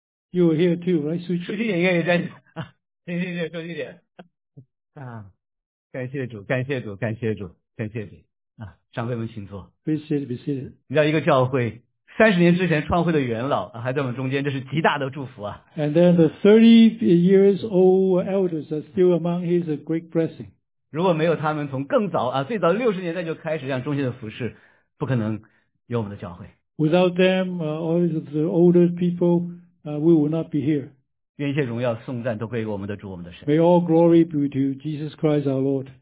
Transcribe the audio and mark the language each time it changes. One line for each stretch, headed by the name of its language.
English: ，You are here too, right? 淑姬，
Chinese: 淑姬姐应该也在啊！行行行，淑姬姐啊！感谢主，感谢主，感谢主，感谢主啊！长辈们请坐。
English: Be seated, be seated.
Chinese: 你知道一个教会30年之前创会的元老、啊、还在我们中间，这是极大的祝福啊
English: ！And then the 30 years old elders are still among his great blessing.
Chinese: 如果没有他们从更早啊，最早60年代就开始这样忠心的服侍，不可能有我们的教会。
English: Without them, all of the older people, we would not be here.
Chinese: 愿一切荣耀颂赞都归给我们的主，我们的神。
English: May all glory be to Jesus Christ, our Lord.